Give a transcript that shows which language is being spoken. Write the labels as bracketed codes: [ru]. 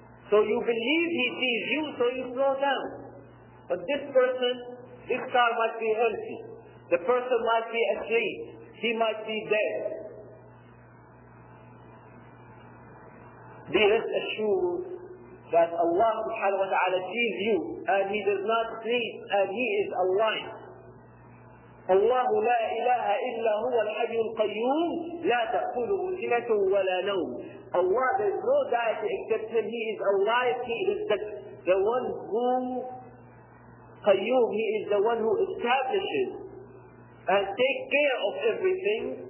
[en] So you believe he sees you, so you slow down. But this person, this car might be empty. The person might be asleep. He might be dead. Be rest assured that Allah subhanahu wa ta'ala sees you and he does not sleep and he is alive. [ar] الله لا إله إلا هو الحي القيوم لا تأخذه سنة ولا نوم. [en] Allah there's no deity except him. He is alive. He is the one who قيوم. He is the one who establishes and takes care of everything.